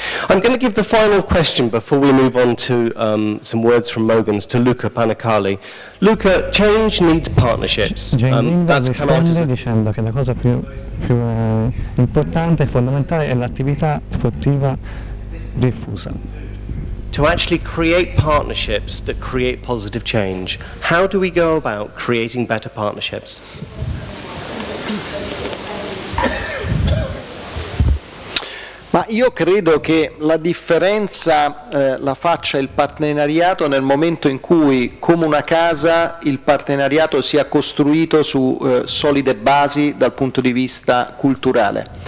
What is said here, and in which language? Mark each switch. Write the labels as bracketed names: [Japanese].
[English] I'm going to give the final question before we move on to some words from Mogens to Luca Panicali. Luca, change needs partnerships. [Italian] Dicendo che la cosa più importante e fondamentale è l'attività sportiva diffusa. [English] To actually create partnerships that create positive change, how do we go about creating better partnerships? [Italian] Ma io credo che la differenza la faccia il partenariato nel momento in cui, come una casa, il partenariato sia costruito su solide basi dal punto di vista culturale.